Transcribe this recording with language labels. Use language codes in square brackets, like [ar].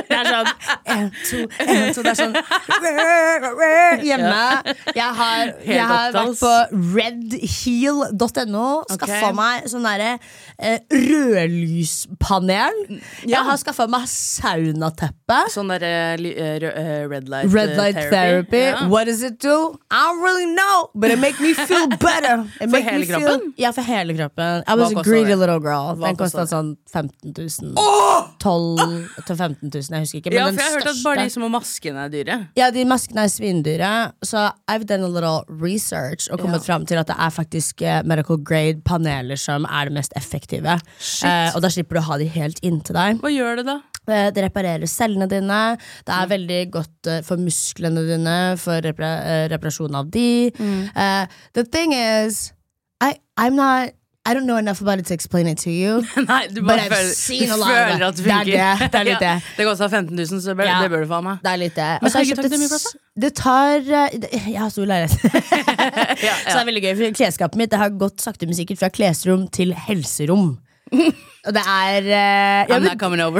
[no] Det er sånn, en, to, det er sånn hjemme. Jeg har vært på redheel.no. Skaffet meg sånn der rødlyspanel. Jeg har skaffet meg saunateppe. Sånn der [en] red light therapy. Yeah. What does it do? I don't really know, but it makes me feel better. [no] For hele kroppen? Ja, for hele kroppen. [en] I was a greedy little girl. [no] Den kostet sånn 15 000. 12 000 til 15 000, jeg husker ikke. Men ja, for jeg har hørt at bare de som har maskene er dyre. Ja, de maskene er svindyre. Så [en] I've done a little research [no] og kommet frem til at det er faktisk medical grade paneler som er det mest effektive. Og da slipper du å ha de helt inn til deg. Hva gjør det da? Det reparerer cellene dine. Det er veldig godt for musklene dine, for reparasjon av de. [en] The thing is, I don't know enough about it to explain it to you. [no] Nei, du bare [en] but I've seen a lot of it. [no] Det er det. Det er litt det. Det går også 15 000, så det bør du få av meg. Det er litt det. Men skal du ikke ta det mye plass da? Det tar, jeg har stor leilighet. Så det er veldig gøy, for kleskapet mitt, det har gått sakte men sikkert fra klesrom til helserom. Og det er [en] I'm not coming over.